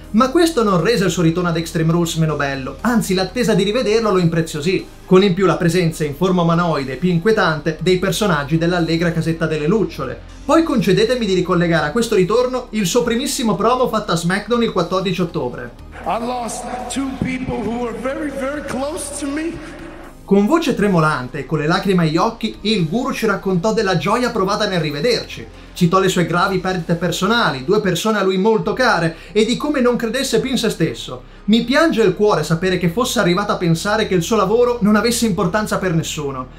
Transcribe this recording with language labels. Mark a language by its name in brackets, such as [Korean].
[Italian] Ma questo non rese il suo ritorno ad Extreme Rules meno bello, anzi l'attesa di rivederlo lo impreziosì, con in più la presenza in forma umanoide più inquietante dei personaggi dell'allegra casetta delle lucciole. Poi concedetemi di ricollegare a questo ritorno il suo primissimo promo fatto a SmackDown il 14 ottobre. [English] I lost two people who were very very close to me. [Italian] Con voce tremolante e con le lacrime agli occhi, il guru ci raccontò della gioia provata nel rivederci. Citò le sue gravi perdite personali, due persone a lui molto care, e di come non credesse più in se stesso. Mi piange il cuore sapere che fosse arrivato a pensare che il suo lavoro non avesse importanza per nessuno.